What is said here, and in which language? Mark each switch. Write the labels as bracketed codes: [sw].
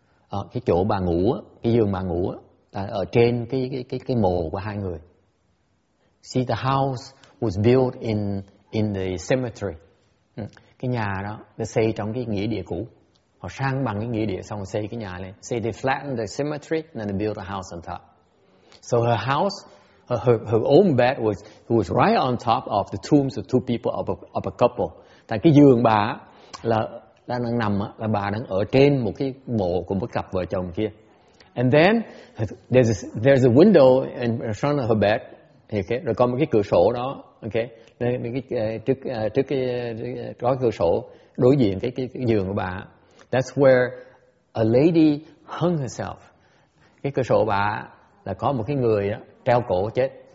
[vi] Cái chỗ bà ngủ, cái giường bà ngủ ở trên cái mộ của hai người. [en] See, the house was built in the cemetery. [vi] Cái nhà đó được xây trong cái nghĩa địa cũ. Họ sang bằng cái nghĩa địa xong xây cái nhà lên. [en] Say they flattened the cemetery and then they built a house on top. So her house, her own bed was right on top of the tombs of two people of a couple. [vi] Tại cái giường bà là đang nằm là bà đang ở trên một cái mộ của một cặp vợ chồng kia. [en] And then there's a window in front of her bed. [vi] Okay, rồi có một cái cửa sổ đó, okay, đây cái trước cái có cửa sổ đối diện cái giường của bà. [en] That's where a lady hung herself. [vi] Cái cửa sổ bà là có một cái người đó, treo cổ chết.